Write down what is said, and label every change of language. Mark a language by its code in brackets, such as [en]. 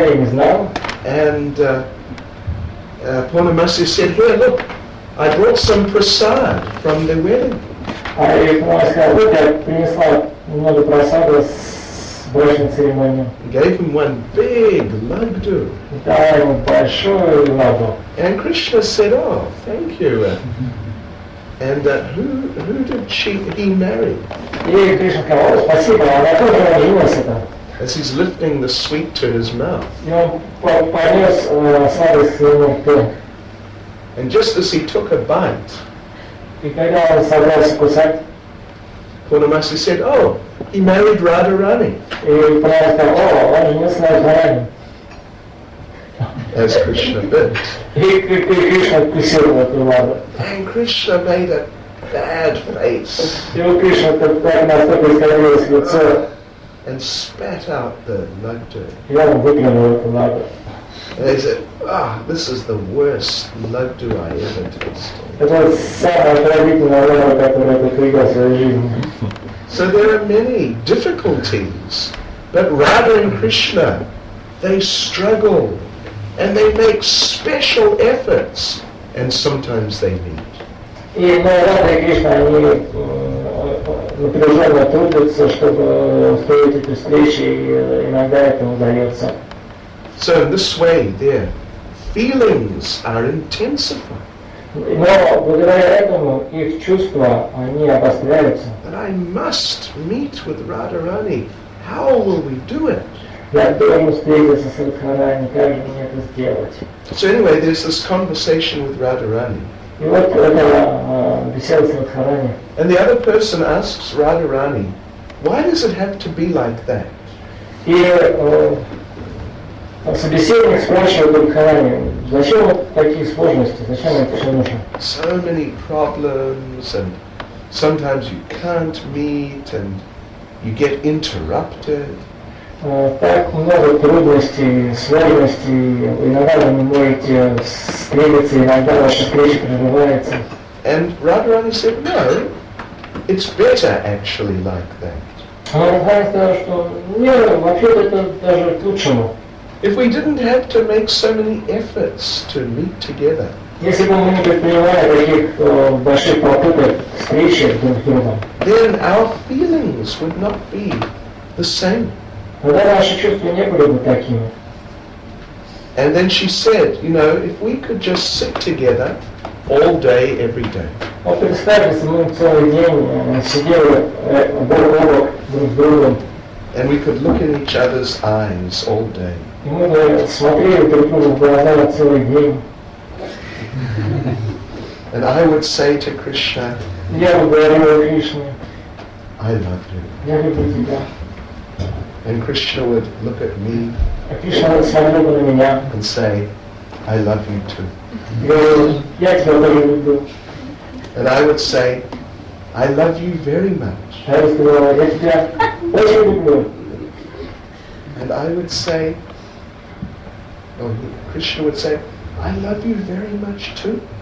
[en] And Purnamasi said, here, look, I brought some prasad from the wedding. [ru] Много просады с брачной церемонией. [en] Gave him one big lagdu. [ru] Дал ему большой лагду. [en] And Krishna said, oh, thank you. And who did he marry? [ru] И Кришна сказал, спасибо, она тоже родилась там. [en] As he's lifting the sweet to his mouth. [ru] И он понес сладость к своему рту. [en] And just as he took a bite, [ru] и когда он собрался кусать, [en] Пурнамаси said, "Oh, he married Radharani." [ru] И Пурнамаси сказал, "О, он женился на Радхарани." [en] As Krishna bit. [ru] И Кришна откусил вот его. [en] And Krishna made a bad face. [ru] И Кришна так настолько искривился лицо. [en] And spat out the nectar. [ru] И он выплюнул эту нектар. [en] And he said, "Ah, this is the worst lugdu I ever tasted." [ru] Это самое отвратительное лугдо, которое я пил в своей жизни. [en] So there are many difficulties, but Radha and Krishna, they struggle, and they make special efforts, and sometimes they meet. [ru] И Радха и Кришна они напряженно трудятся, чтобы устроить эти встречи, и иногда это удается. [en] So in this way, their feelings are intensified. [ru] Но благодаря этому их чувства они обостряются. [en] But I must meet with Radharani. How will we do it? [ru] Я должен встретиться с Радхарани. Как же мне это сделать? [en] So anyway, there's this conversation with Radharani. [ru] И вот это беседа с Радхарани. [en] And the other person asks Radharani, "Why does it have to be like that?" [ru] И собеседник спрашивает Радхарани, зачем такие сложности, зачем это все нужно? [en] So many problems, and sometimes you can't meet, and you get interrupted. [ru] Так много трудностей, сложностей, иногда вы не можете встретиться, иногда ваша встреча прерывается. [en] And Radharani said, "No, it's better actually like that." [ru] Но Радхарани сказал, что нет, вообще-то это даже к лучшему. [en] If we didn't have to make so many efforts to meet together. [ru] Если бы мы не предпринимали таких больших попыток встречи друг с другом. [en] Then our feelings would not be the same. [ru] Тогда наши чувства не были бы такими. [en] And then she said, "You know, if we could just sit together all day, every day." [ru] Вот представьте, если мы целый день сидели бок о бок друг с другом. [en] And we could look in each other's eyes all day. [ru] И мы бы смотрели друг другу в глаза на целый день. [en] And I would say to Krishna, [ru] я бы говорил Кришне, [en] I love you. [ru] Я люблю тебя. [en] And Krishna would look at me, [ru] а Кришна бы смотрел бы на меня, [en] and say, I love you too. [ru] Я тебя тоже люблю. [en] And I would say, I love you very much. [ru] Я бы сказал, я тебя очень люблю. [en] And I would say, Krishna would say, I love you very much too.